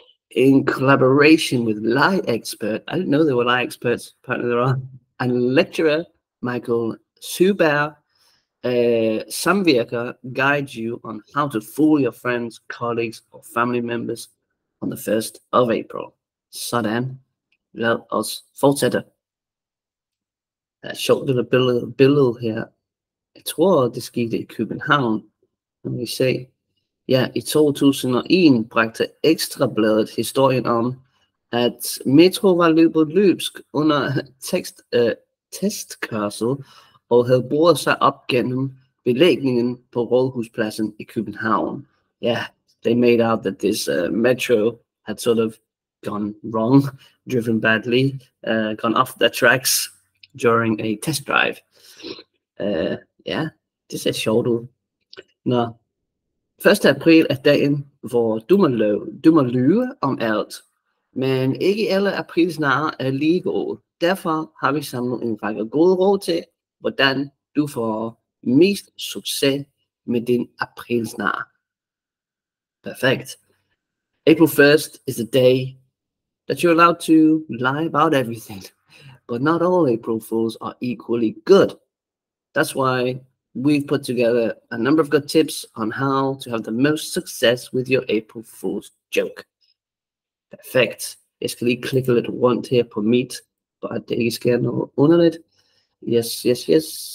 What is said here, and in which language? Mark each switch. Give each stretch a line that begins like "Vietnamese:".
English: In collaboration with lie expert, I didn't know there were lie experts, apparently there are, and lecturer Michael Suberg, samvirker guides you on how to fool your friends, colleagues or family members on the 1st of April.
Danish: Sådan, lad os fortsætte. Der er et sjovt lille billede her. Jeg tror, det skete i København.
English: Let me see.
Danish: Ja, i 2001 bragte Ekstrabladet historien om, at Metro var løbet løbsk under testkørsel og havde boret sig op gennem belægningen på Rådhuspladsen i København.
English: Ja, they made out that this metro had sort of gone wrong, driven badly, gone off the tracks during a test drive. Yeah, this is sjovt. Nå, 1.
Danish: april er dagen, hvor du må lyve om alt, men ikke alle aprilsnarer er lige gode. Derfor har vi samlet en række gode råd til, hvordan du får mest succes med din aprilsnar.
English: Perfect. April 1st is the day that you're allowed to lie about everything. But not all April Fools are equally good. That's why we've put together a number of good tips on how to have the most success with your April Fool's joke. Perfect.
Danish: Jeg skal lige klikke lidt rundt her på meet, but at det ikke sker noget underligt.
English: Yes, yes, yes.